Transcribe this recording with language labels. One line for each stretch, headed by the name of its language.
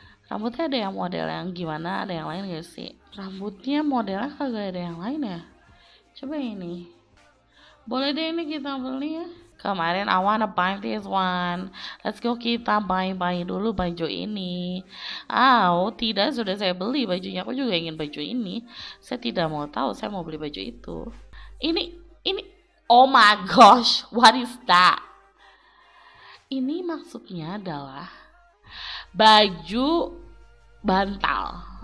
Indonesian: Rambutnya ada yang model yang gimana, ada yang lain gak sih? Rambutnya modelnya kagak ada yang lain ya? Coba ini. Boleh deh ini kita beli ya. Kemarin
English: I wanna buy this one. Let's go
Indonesian: kita buy-buy dulu baju ini. Oh tidak, sudah saya beli bajunya. Aku juga ingin baju ini. Saya tidak mau tahu, saya mau beli baju itu. Ini.
English: Oh my gosh, what is that?
Indonesian: Ini maksudnya adalah baju bantal.